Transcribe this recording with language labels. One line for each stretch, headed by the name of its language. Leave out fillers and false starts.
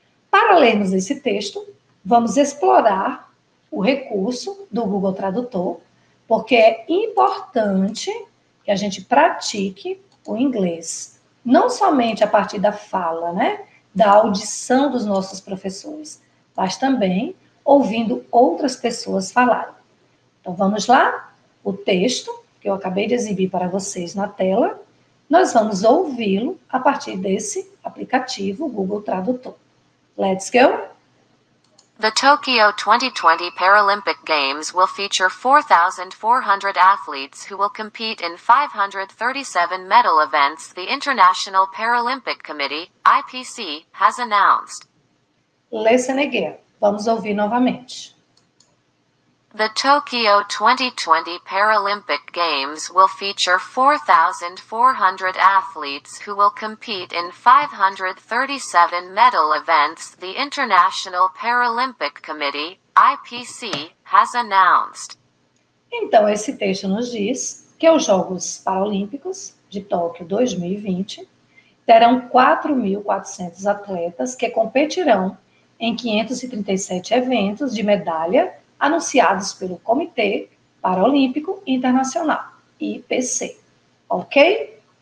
Portuguese: Para lermos esse texto, vamos explorar o recurso do Google Tradutor, porque é importante que a gente pratique o inglês, não somente a partir da fala, né, da audição dos nossos professores, mas também ouvindo outras pessoas falarem. Então, vamos lá? O texto que eu acabei de exibir para vocês na tela, nós vamos ouvi-lo a partir desse aplicativo Google Tradutor.
English: Let's go! The Tokyo 2020 Paralympic Games will feature 4,400 athletes who will compete in 537 medal events the International Paralympic Committee, IPC, has announced. Listen again.
Portuguese: Vamos ouvir novamente.
English: The Tokyo 2020 Paralympic Games will feature 4,400 athletes who will compete in 537 medal events the International Paralympic Committee, IPC, has announced.
Portuguese: Então, esse texto nos diz que os Jogos Paralímpicos de Tóquio 2020 terão 4.400 atletas que competirão em 537 eventos de medalha anunciados pelo Comitê Paralímpico Internacional, IPC. Ok?